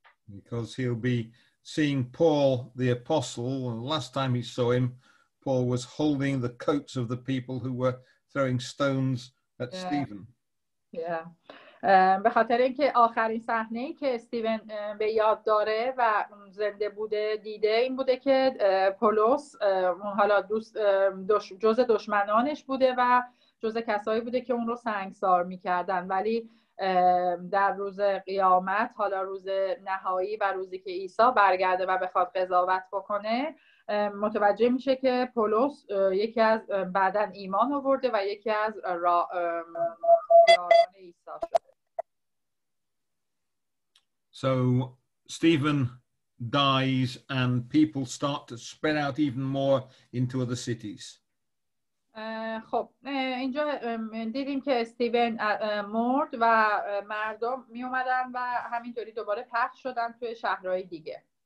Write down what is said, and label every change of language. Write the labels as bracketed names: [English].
[English] Because he'll be seeing Paul the apostle, and the last time he saw him, Paul was holding the coats of the people who were throwing stones at Stephen. [Persian] به خاطر اینکه آخرین صحنه‌ای که استیون به یاد داره و زنده بوده دیده این بوده که پولس حالا جز دشمنانش بوده و جز کسایی بوده که اون رو سنگسار می‌کردن ولی در روز قیامت حالا روز نهایی و روزی که عیسی برگرده و بخواد قضاوت بکنه متوجه میشه که پولس یکی از بعدن ایمان آورده و یکی از راهبان عیسی شده. [English] So Stephen dies and people start to spread out even more into other cities. [Persian] خب اینجا دیدیم که استیون مرد و مردم می اومدن و همینطوری دوباره پخش شدن توی شهرهای دیگه.